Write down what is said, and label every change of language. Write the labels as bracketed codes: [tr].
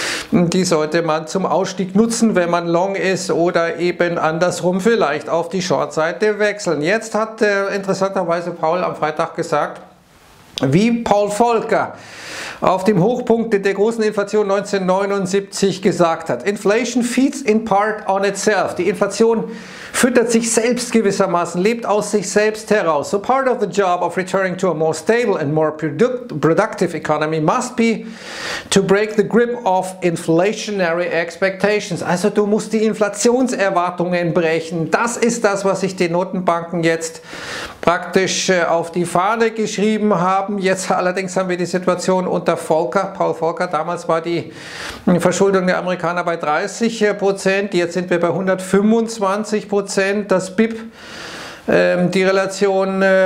[de] Die sollte man zum Ausstieg nutzen, wenn man long ist, oder eben andersrum vielleicht auf die Short-Seite wechseln. Jetzt hat interessanterweise Powell am Freitag gesagt, wie Paul Volcker auf dem Hochpunkt der großen Inflation 1979 gesagt hat. [en] Inflation feeds in part on itself. [de] Die Inflation füttert sich selbst gewissermaßen, lebt aus sich selbst heraus. [en] So part of the job of returning to a more stable and more productive economy must be to break the grip of inflationary expectations. [de] Also du musst die Inflationserwartungen brechen. Das ist das, was sich die Notenbanken jetzt praktisch auf die Fahne geschrieben haben. Jetzt allerdings haben wir die Situation unter Volcker. Paul Volcker, damals war die Verschuldung der Amerikaner bei 30%, jetzt sind wir bei 125%. Das BIP, die Relation